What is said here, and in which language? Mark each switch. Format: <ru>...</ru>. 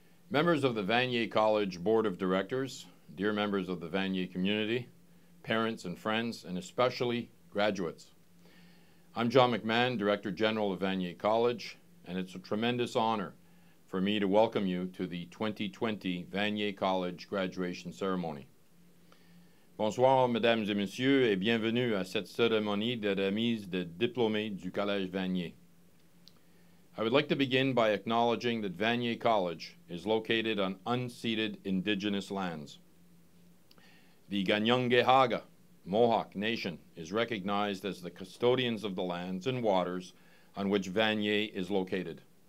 <en>Members of the Vanier College Board of Directors, dear members of the Vanier community, parents and friends, and especially graduates. I'm John McMahon, Director General of Vanier College, and it's a tremendous honor for me to welcome you to the 2020 Vanier College graduation ceremony.</en> <fr>Bonsoir, mesdames et messieurs, et bienvenue à cette cérémonie de remise des diplômés du Collège Vanier.</fr> <en>I would like to begin by acknowledging that Vanier College is located on unceded Indigenous lands. The Ganyongehaga Mohawk Nation is recognized as the custodians of the lands and waters on which Vanier is located.</en>